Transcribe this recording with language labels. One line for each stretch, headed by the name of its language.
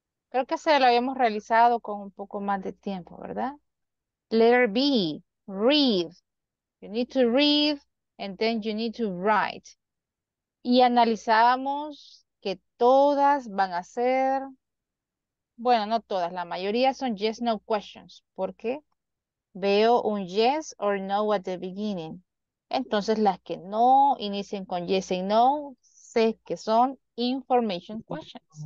Spanish: Creo que se lo habíamos realizado con un poco más de tiempo, ¿verdad?
English: Letter B, read. You need to read and then you need to write.
Spanish: Y analizábamos que todas van a ser, bueno, no todas, la mayoría son
English: yes, no questions.
Spanish: Porque veo un
English: yes or no at the beginning.
Spanish: Entonces las que no inician con yes y no, sé que son information questions.